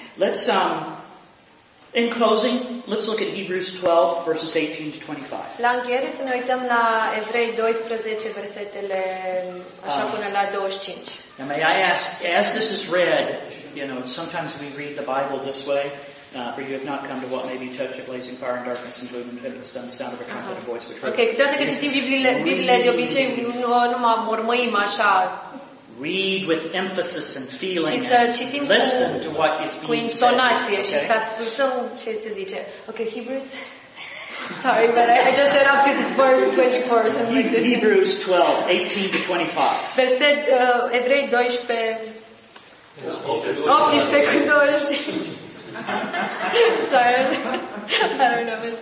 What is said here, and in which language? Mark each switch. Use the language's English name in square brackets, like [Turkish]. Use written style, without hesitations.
[English] Let's in closing, let's look at Hebrews 12 verses 18 to 25. [Romanian] La încheiere să ne uităm la Evrei 12 versetele așa până la 25. [English] Now may I ask, as this is read, you know, sometimes we read the Bible this way. For you have not come to what may be touch of blazing fire and darkness and gloom and tempest and the sound of a trumpet and a voice which [Romanian] okay, câteodată când citim Bibliile de obicei nu mă mormăim așa. [English] Read with emphasis and feeling. [Romanian] Și să citim cu intonație și să ascultăm ce se zice. [English] Okay, Hebrews. Sorry, but I just said up to the verse 24 or something like this. Hebrews 12, 18 to 25. [Romanian] Verset Evrei 12, 18 cu 25. [English] Sorry, I don't know.